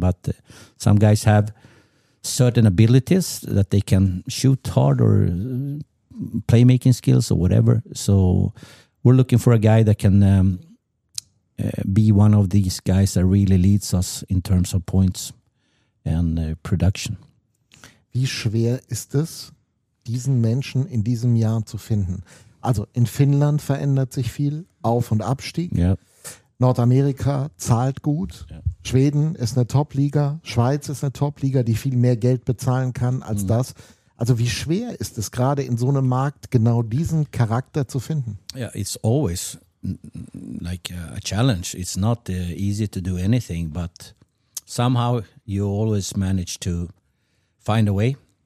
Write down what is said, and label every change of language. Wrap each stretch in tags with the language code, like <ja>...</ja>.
<en>But some guys have certain abilities that they can shoot hard or playmaking skills or whatever. So we're looking for a guy that can be one of these guys that really leads us in terms of points and production.</en> <de>Wie schwer ist es, diesen Menschen in diesem Jahr zu finden? Also in Finnland verändert sich viel, Auf- und Abstieg.</de> <en>Yep.</en> <de>Nordamerika zahlt gut. Ja. Schweden ist eine Top-Liga. Schweiz ist eine Top-Liga, die viel mehr Geld bezahlen kann als das. Also wie schwer ist es gerade in so einem Markt genau diesen Charakter zu finden?</de> <en>Ja, it's always like a challenge. It's not easy to do anything, but somehow you always manage to find a way.</en>